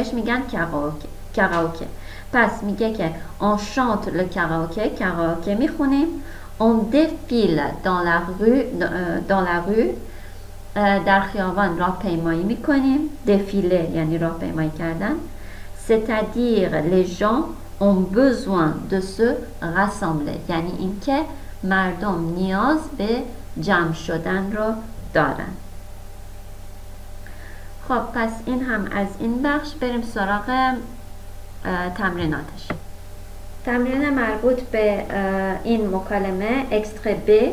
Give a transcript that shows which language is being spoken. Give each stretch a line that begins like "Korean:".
Persian: بهش میگن کراوکه. پس میگه که اون شانت لو کراوکه میخونیم. اون دفیل دان لا رو در خیابان راه پیمایی میکنیم. دفیله یعنی راه پیمایی کردن.
French: C'est-à-dire les gens ont besoin de se rassembler.
Persian: یعنی اینکه مردم نیاز به جمع شدن رو دارن. خب پس این هم از این بخش، بریم سراغ تمریناتش. تمرین مربوط به این مکالمه اکستره B.